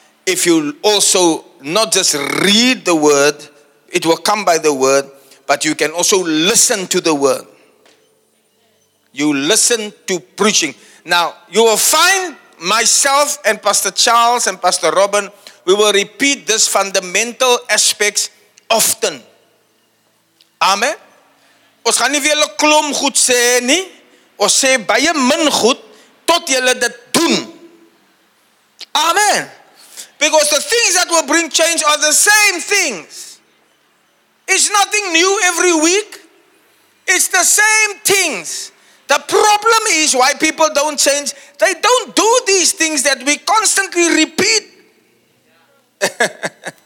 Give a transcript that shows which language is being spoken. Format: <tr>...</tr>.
<en>If you also not just read the word, it will come by the word, but you can also listen to the word. You listen to preaching. Now, you will find myself and Pastor Charles and Pastor Robin, we will repeat this fundamental aspects often. Amen.</en> <af>Ons gaan nie vir julle klom goed sê nie. Ons sê baie min goed tot julle dit doen.</af> <en>Amen. Because the things that will bring change are the same things. It's nothing new every week. It's the same things. The problem is why people don't change. They don't do these things that we constantly repeat.</en>